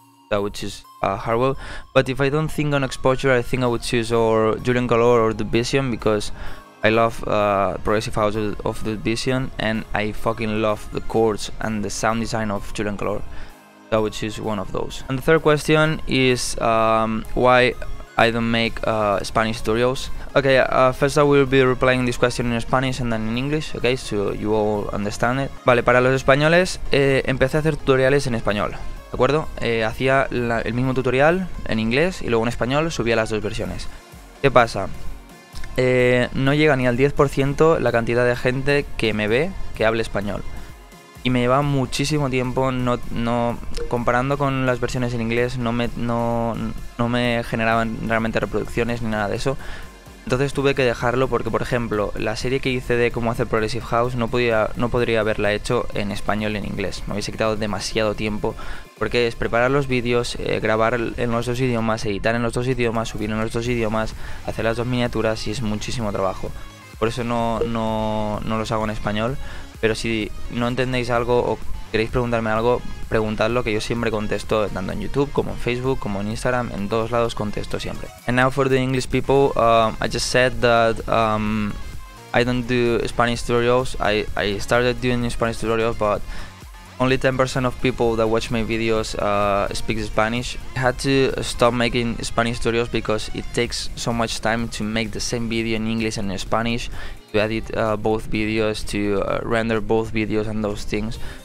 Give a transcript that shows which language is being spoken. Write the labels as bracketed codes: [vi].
[en] That would choose Harwell. But if I don't think on exposure, I think I would choose or Julian Galore or Dubisian because I love progressive house of Dubisian and I fucking love the chords and the sound design of Julian Galore. That would choose one of those. And the third question is why I don't make Spanish tutorials. Okay, first I will be replying this question in Spanish and then in English, okay, so you all understand it. [es] Vale, para los españoles, empecé a hacer tutoriales en español. ¿De acuerdo? Hacía el mismo tutorial en inglés y luego en español subía las dos versiones. ¿Qué pasa? No llega ni al 10% la cantidad de gente que me ve que hable español. Y me lleva muchísimo tiempo, no comparando con las versiones en inglés, no me generaban realmente reproducciones ni nada de eso. Entonces tuve que dejarlo porque, por ejemplo, la serie que hice de cómo hacer Progressive House no podría haberla hecho en español en inglés. Me hubiese quitado demasiado tiempo porque es preparar los vídeos, grabar en los dos idiomas, editar en los dos idiomas, subir en los dos idiomas, hacer las dos miniaturas y es muchísimo trabajo. Por eso no los hago en español, pero si no entendéis algo o queréis preguntarme algo, preguntadlo, que yo siempre contesto, tanto en YouTube, como en Facebook, como en Instagram, en todos lados contesto siempre. [en] And now for the English people, I just said that I don't do Spanish tutorials. I started doing Spanish tutorials, but only 10% of people that watch my videos speak Spanish. I had to stop making Spanish tutorials because it takes so much time to make the same video in English and in Spanish, to edit both videos, to render both videos and those things.